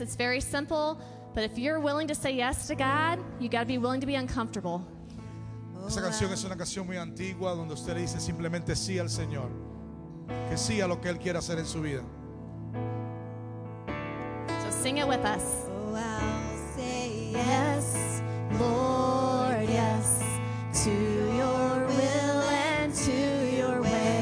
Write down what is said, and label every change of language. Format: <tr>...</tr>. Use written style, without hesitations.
<en>It's very simple, but if you're willing to say yes to God, you got to be willing to be uncomfortable.</en> <es>Esa canción es una canción muy antigua donde usted le dice simplemente sí al Señor. Que sí a lo que Él quiere hacer en su vida.</es> <en>So sing it with us. Oh, I'll say yes, Lord, yes, to your will and to your way.</en>